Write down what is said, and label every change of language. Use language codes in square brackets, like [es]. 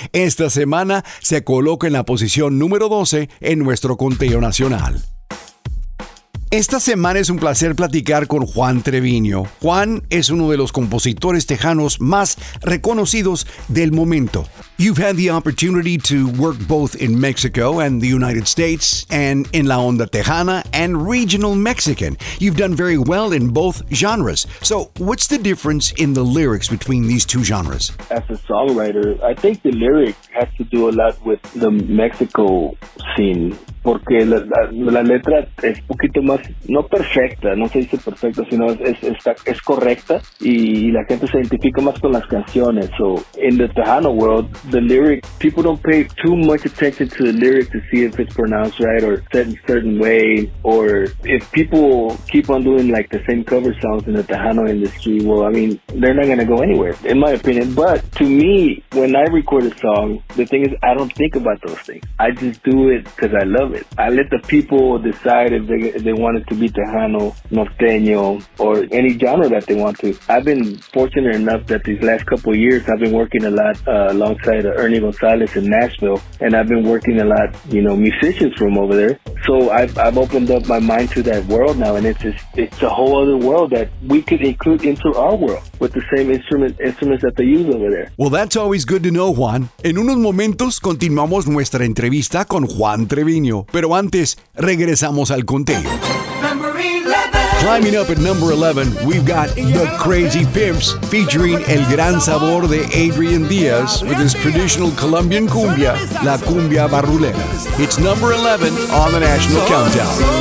[es] Esta semana se coloca en la posición número 12 en nuestro conteo nacional. Esta semana es un placer platicar con Juan Treviño. Juan es uno de los compositores tejanos más reconocidos del momento. [en] You've had the opportunity to work both in Mexico and the United States and in La Onda Tejana and regional Mexican. You've done very well in both genres. So what's the difference in the lyrics between these two genres? As a songwriter, I think the lyric has to do a lot with the Mexico scene. [es] Porque la letra es un poquito más, no perfecta, no se dice perfecta, sino es correcta y la gente se identifica más con las canciones. [en] So in the Tejano world, the lyric, people don't pay too much attention to the lyric to see if it's pronounced right or said in a certain way. Or if people keep on doing like the same cover songs in the Tejano industry, well, I mean, they're not going to go anywhere, in my opinion. But to me, when I record a song, the thing is, I don't think about those things. I just do it because I love it. I let the people decide if they want it to be Tejano, Norteño, or any genre that they want to. I've been fortunate enough that these last couple of years I've been working a lot alongside Ernie Gonzalez in Nashville, and I've been working a lot, you know, musicians from over there. So I've opened up my mind to that world now, and it's a whole other world that we could include into our world with the same instruments that they use over there. Well, that's always good to know, Juan. [es] En unos momentos continuamos nuestra entrevista con Juan Trevino. Pero antes, regresamos al conteo. [en] Climbing up at number 11, we've got The Crazy Pimps featuring El Gran Sabor de Adrian Diaz with his traditional Colombian cumbia, La Cumbia Barrulera. It's number 11 on the national countdown.